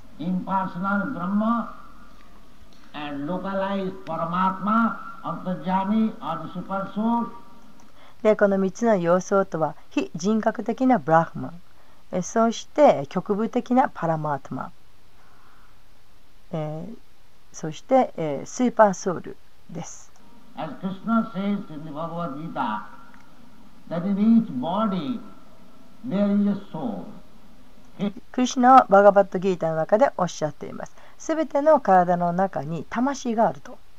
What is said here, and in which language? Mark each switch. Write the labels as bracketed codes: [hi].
[en] Impersonal Brahma and localized Paramatma Antarjami or the Super Soul. [ja] で、この3つの要素とは、非人格的なブラフマン、そして局部的なパラマートマン、そして、スーパーソウルです。 [en] As Krishna says in the Bhagavad Gita that in each body there is a soul. [ja] クリシナはバガバットギータの中でおっしゃっています。すべての体の中に魂があると。